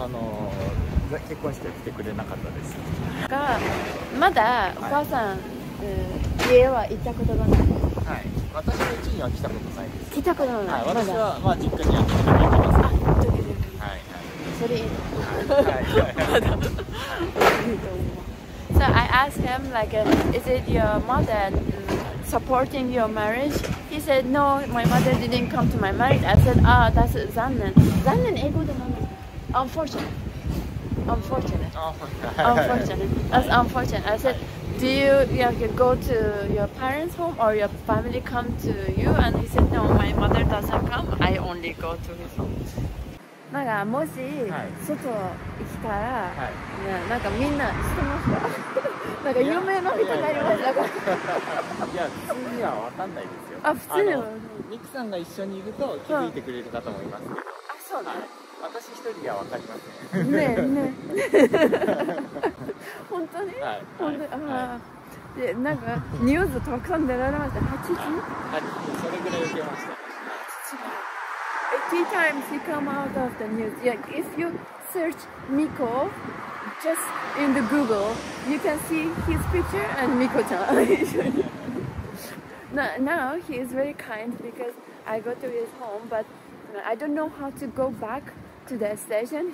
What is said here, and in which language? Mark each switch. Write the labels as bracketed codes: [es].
[ja] あの結婚してきてくれなかったです。がまだお母さん、はい、家は行ったことがない。はい、私の家には来たことないです。来たことない。はい、私は、まあ、実家には来たことがあります。はいはい。それいい。はい、まだ。 [en] So I asked him like, is it your mother supporting your marriage? He said, no, my mother didn't come to my marriage. I said, ah, that's 残念. [ja] 残念, 英語で何ですか? [en] Unfortunate. That's unfortunate. I said, do you like, go to your parents' home or your family come to you? And he said, no, my mother doesn't come. I only go to his home. [ja] なんかもし外行ったら、はい、なんかみんな知ってますか？なんか有名な人になりました。いや普通には分かんないですよ。あ、普通には。ミクさんが一緒にいると気づいてくれるかと思います。あ、そうなの、ね、私一人では分かりません。 ねえねえ。本当に、はい、本当に、はい、あ、はい、でなんかニュースたくさん出られました。 8時、はい、それぐらい受けました。 [en] Three times he come out of the news. Yeah, if you search Miko, just in the Google, you can see his picture and Miko-chan. Now he is very kind because I go to his home, but I don't know how to go back to the station.